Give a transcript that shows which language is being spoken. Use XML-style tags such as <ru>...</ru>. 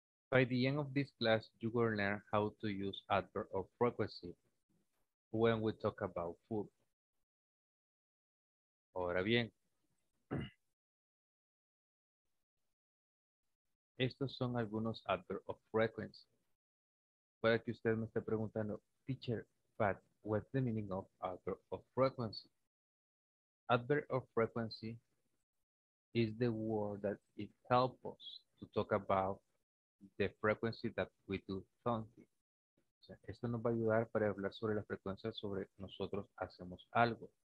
<en>By the end of this class, you will learn how to use adverb of frequency when we talk about food.</en> <es>Ahora bien, estos son algunos</es> <en>adverbs of frequency.</en> <es>Puede que usted me esté preguntando,</es> <en>teacher, but what's the meaning of adverb of frequency? Adverb of frequency is the word that it helps us to talk about the frequency that we do something.</en> <es>Esto nos va a ayudar para hablar sobre la frecuencia sobre nosotros hacemos algo.</es>